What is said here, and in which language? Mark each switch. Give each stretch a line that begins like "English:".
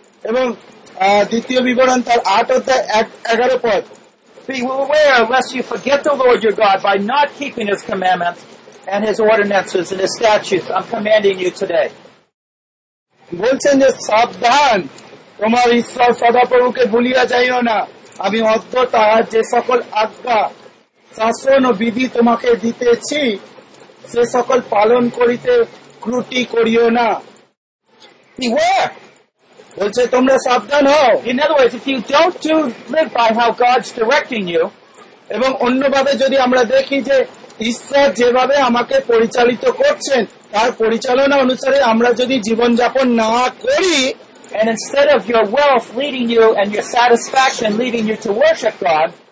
Bangla: এবং দ্বিতীয় বিবরণ তার আট অধ্যায় এগারো পদ,
English: be aware lest you forget the Lord your God by not keeping his commandments and his ordinances and his statutes I'm commanding you today.
Bangla: বলছেন যে সাবধান, তোমার ঈশ্বর সদাপ্রভুকে ভুলিয়া যাইও না, আমি অর্থ তাহার যে সকল আজ্ঞা শাসন ও বিধি তোমাকে দিতেছি সে সকল পালন করিতে ক্রুটি করিও না। বলছে তোমরা সাবধান হও।
English: In other words, if you don't do live by how God's directing you,
Bangla: এবং অন্যভাবে যদি আমরা দেখি যে ঈশ্বর যেভাবে আমাকে পরিচালিত করছেন তার পরিচালনা অনুসারে আমরা যদি জীবনযাপন না করি,
English: and instead of your wealth leading you and your satisfaction leading you to worship God,